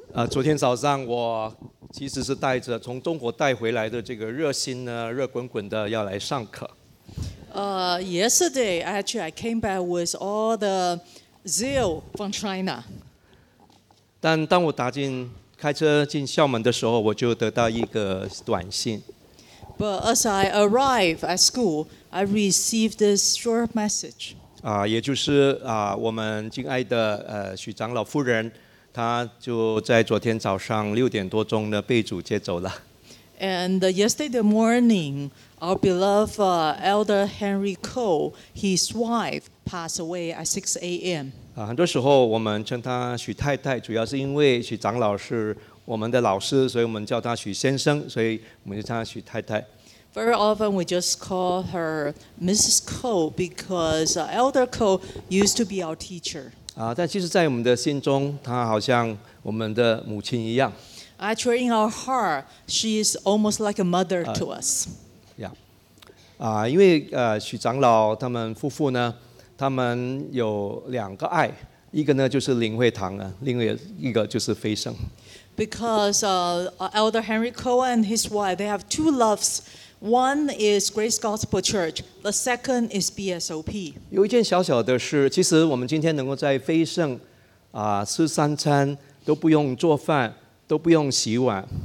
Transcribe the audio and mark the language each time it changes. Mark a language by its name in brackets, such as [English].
[Chinese] 昨天早上我其实是带着从中国带回来的这个热心呢，热滚滚的要来上课。 [English] Yesterday, actually, I came back with all the zeal from China. [Chinese] 但当我打进开车进校门的时候，我就得到一个短信。 [English] But as I arrive at school, I received this short message. [Chinese] 也就是我们敬爱的许长老夫人，她就在昨天早上6点多钟呢被主接走了。 [English] And yesterday morning, our beloved Elder Henry Cole, his wife, passed away at 6 a.m. [Chinese] 很多时候我们称他许太太，主要是因为许长老是我们的老师，所以我们叫他许先生，所以我们就叫他许太太。 [English] Very often we just call her Mrs. Cole because Elder Cole used to be our teacher. [Chinese] 但其实在我们的心中，她好像我们的母亲一样。 [English] Actually, in our heart, she is almost like a mother to us. Yeah. [Chinese] 因为许长老他们夫妇呢，他们有两个爱，一个呢就是灵会堂啊，另外一个就是飞升。 [English] Because Elder Henry Cole and his wife, they have two loves. One is Grace Gospel Church. The second is BSOP. [Chinese] 有一件小小的事，其实我们今天能够在飞升吃三餐，都不用做饭，都不用洗碗。